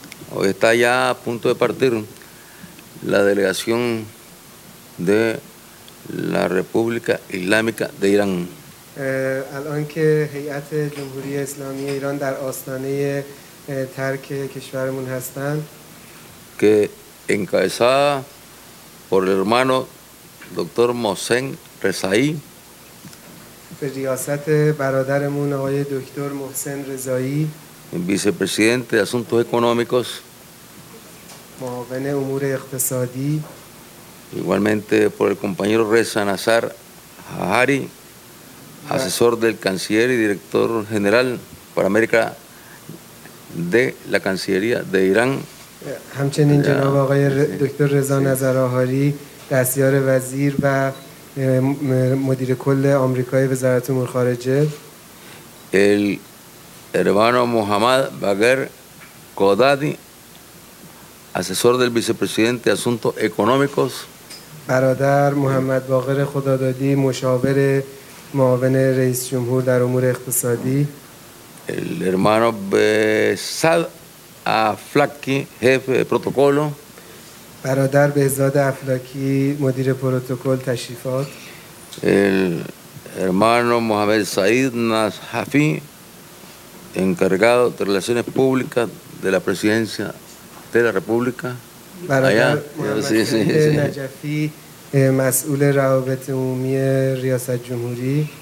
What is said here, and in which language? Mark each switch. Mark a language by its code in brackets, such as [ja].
[es] Hoy está ya a punto de partir la delegación de la República Islámica de Irán. [fa] الان که هیئت جمهوری اسلامی ایران در آستانه ترک کشورمون هستن که [es] encabezada por el hermano doctor Mohsen Rezaei [fa] به ریاست برادرمون آقای دکتر محسن رضایی [es] vicepresidente de asuntos económicos [fa] معاون امور اقتصادی [es] igualmente por el compañero Reza Nazar Hari asesor del canciller y director general para América de la Cancillería de Irán. [fa] همچنین جناب آقای دکتر رضا نظرآهاری دستیار وزیر و مدیر کل آمریکای وزارت امور خارجه. [es] El hermano Mohammad Bagher Kodadi, asesor del vicepresidente de asuntos económicos. [fa] برادر محمد باقر خدادادی مشاور معاون رئیس جمهور در امور اقتصادی [es] el hermano Behzad Aflaki jefe de protocolo [fa] برادر بهزاد افلاکی مدیر پروتکل تشریفات [es] el hermano Mohamed Said Nashafi encargado de relaciones públicas de la presidencia de la república [fa] برادر محمد نجفی مسئول روابط عمومی ریاست جمهوری